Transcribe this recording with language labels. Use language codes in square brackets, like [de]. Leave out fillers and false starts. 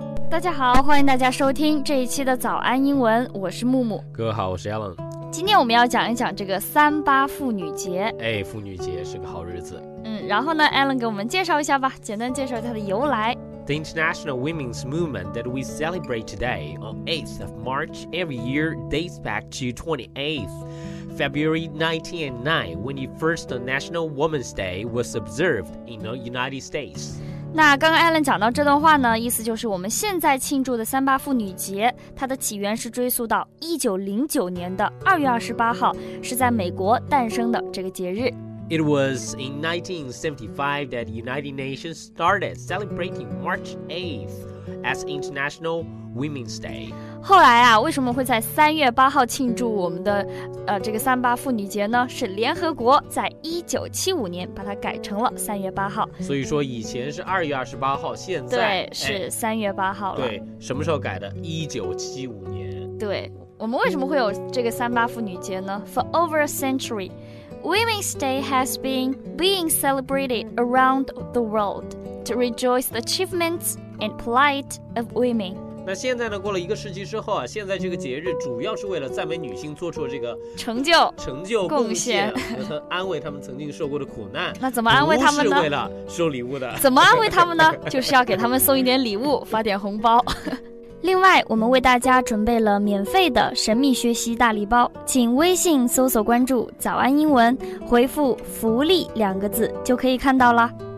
[zh] 大家好，欢迎大家收听这一期的早安英文，我是木木。各位好，我是 Alan。今天我们要讲一讲这个三八妇女节。哎，妇女节是个好日子。然后呢， Alan 给我们介绍一下吧，简单介绍它的由来。 [en] The International Women's Movement that we celebrate today on 8th of March every year dates back to 28th February 1909 when the first National Women's Day was observed in the United States. [zh] 那刚刚 Alan 讲到这段话呢，意思就是我们现在庆祝的三八妇女节，它的起源是追溯到1909年的2月28号，是在美国诞生的这个节日。 [en] It was in 1975 that the United Nations started celebrating March 8th as International Women's Day. [zh] 后来啊，为什么会在3月8号庆祝我们的这个三八妇女节呢？是联合国在1975年把它改成了3月8号。所以说以前是2月28号，现在对是3月8号了。对，什么时候改的？1975年。对，我们为什么会有这个三八妇女节呢？ [en] For over a century,Women's Day has been being celebrated around the world to rejoice the achievements and plight of women. [zh] 那现在呢，过了一个世纪之后啊，现在这个节日主要是为了赞美女性做出这个成就贡献，安慰她们曾经受过的苦难。那怎么安慰她们呢？不是为了收礼物的。怎么安慰她们呢？就是要给她们送一点礼物，发点红包。另外，我们为大家准备了免费的神秘学习大礼包，请微信搜索关注“早安英文”，回复“福利”两个字就可以看到了。